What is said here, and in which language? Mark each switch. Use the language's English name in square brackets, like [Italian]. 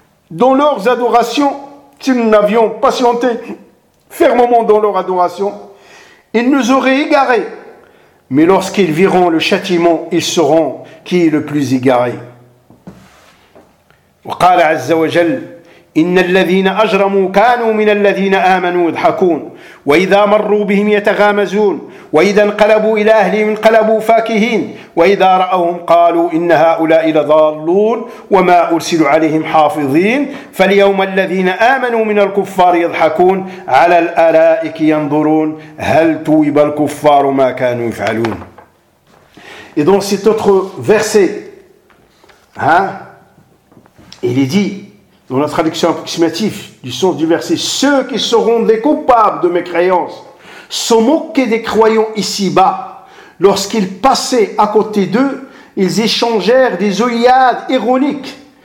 [French] Dans leurs adorations, si nous n'avions patienté fermement dans leur adoration, ils nous auraient égarés. Mais lorsqu'ils verront le châtiment, ils sauront qui est le plus égaré. [Arabic] وقال عز وجل إن الذين أجرموا كانوا من الذين آمنوا يضحكون وإذا مروا بهم يتغامزون وإذا انقلبوا إلى أهلهم انقلبوا فاكهين وإذا رأوهم قالوا إن هؤلاء لضالون وما أرسل عليهم حافظين فاليوم الذين آمنوا من الكفار يضحكون على الأرائك ينظرون هل توب الكفار ما كانوا يفعلون. [French] Et donc cet autre verset hein, il est dit, dans la traduction approximative du sens du verset, « Ceux qui seront les coupables de mes créances se moquaient des croyants ici-bas. Lorsqu'ils passaient à côté d'eux, ils échangèrent des œillades ironiques.